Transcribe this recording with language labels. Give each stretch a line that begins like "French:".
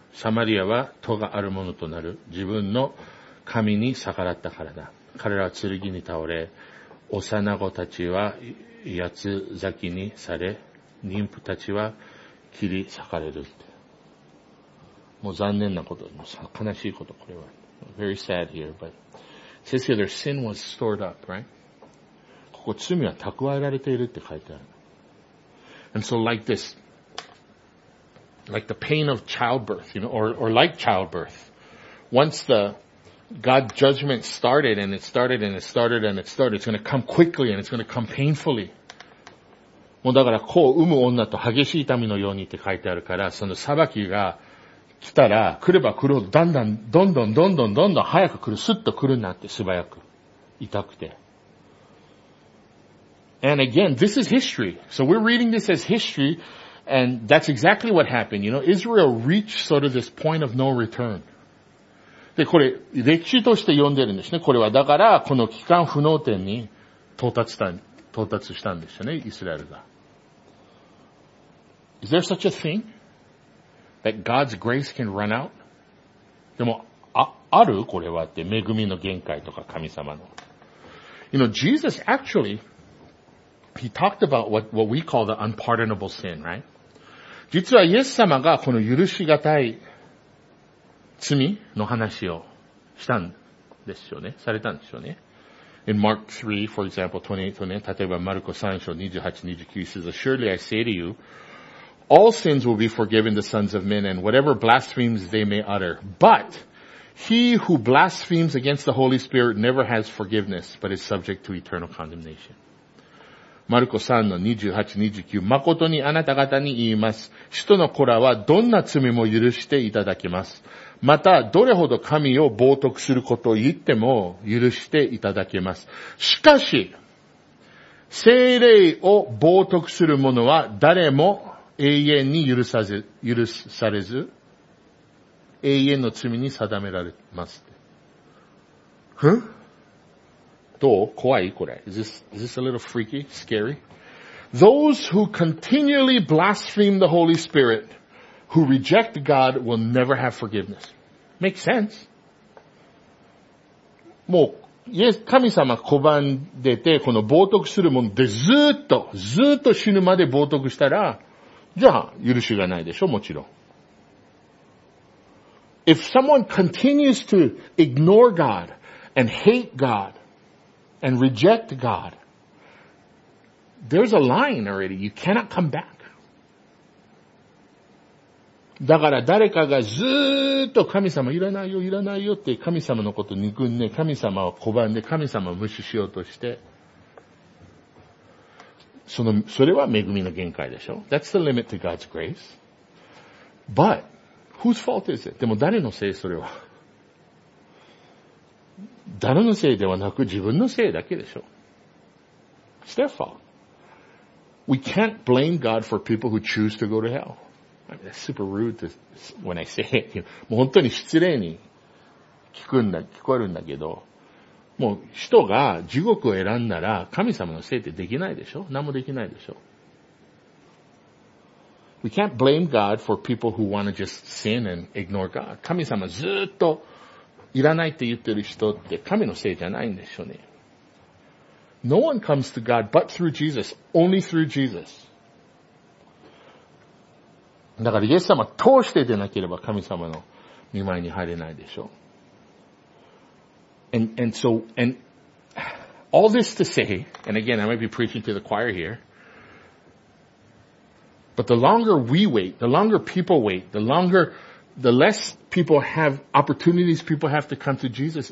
Japanese: サマリアは戸があるものとなる。自分の神に逆らったからだ。彼らは剣に倒れ、幼子たちは八つ咲きにされ、妊婦たちは切り裂かれるって。もう残念なこと、もう悲しいこと、これは。
English: Very sad here, but it says here their sin was stored up, right?
Japanese: ここ罪は蓄えられているって書いてある。
English: And so like this,Like the pain of childbirth, you know, or like childbirth. Once the God judgment started and it started and it started and it started, it's going to come quickly and it's going to come painfully.
Japanese: もうだから子を産む女と激しい痛みのようにって書いてあるから、その裁きが来たら、来れば来るほど、だんだん、どんどんどんどんどんどん早く来る、スッと来るなって素早く。痛くて。
English: And again, this is history. So we're reading this as history. And that's exactly what happened. You know, Israel reached sort of this point of no return.
Japanese: で、これ、歴史として読んでるんですね。これは、だから、この帰還不能点に到達したんですよね、イスラエルが。
English: Is there such a thing? That God's grace can run out?
Japanese: でも、あるこれはって、恵みの限界とか神様の。
English: You know, Jesus actually, he talked about what we call the unpardonable sin, right?
Japanese: 実はイエス様がこの許しがたい罪の話をしたんですよね。されたんですよね。
English: In Mark 3, for example,
Japanese: 28とね、例えばマルコ3章28、
English: 29 says, Surely I say to you, all sins will be forgiven the sons of men and whatever blasphemes they may utter. But he who blasphemes against the Holy Spirit never has forgiveness, but is subject to eternal condemnation.
Japanese: マルコ3の28、29、誠にあなた方に言います。使徒の子らはどんな罪も許していただけます。また、どれほど神を冒涜することを言っても許していただけます。しかし、聖霊を冒涜する者は誰も永遠に許されず、永遠の罪に定められます。ふん? どう?怖い?これ。
English: Is this a little freaky? Scary? Those who continually blaspheme the Holy Spirit, who reject God, will never have forgiveness. Makes sense.
Japanese: もう、イエス、神様拒んでて、この冒涜するもんでずっと死ぬまで冒涜したら、じゃあ、許しがないでしょ、もちろん。
English: If someone continues to ignore God and hate God and reject God, there's a line already. You cannot come back.
Japanese: だから誰かがずーっと神様いらないよ、いらないよって神様のこと憎んで、神様を拒んで、神様を無視しようとして、それは恵みの限界でしょ?
English: That's the limit to God's grace. But,Whose fault is it?
Japanese: でも誰のせいそれは。誰のせいではなく自分のせいだけでしょ。
English: It's their fault. We can't blame God for people who choose to go to hell. I mean, that's super rude to, when I say it.
Japanese: もう本当に失礼に聞こえるんだけど、もう人が地獄を選んだら神様のせいってできないでしょ。何もできないでしょ。
English: We can't blame God for people who want to just sin and ignore God.
Japanese: 神様ずっといらないって言ってる人って神のせいじゃないんでしょうね。
English: No one comes to God but through Jesus, only through Jesus.
Japanese: だからイエス様通して出なければ神様の御前に入れないでしょう。
English: And all this to say, and again, I might be preaching to the choir here,But the longer we wait, the longer people wait, the longer, the less people have opportunities, people have to come to Jesus.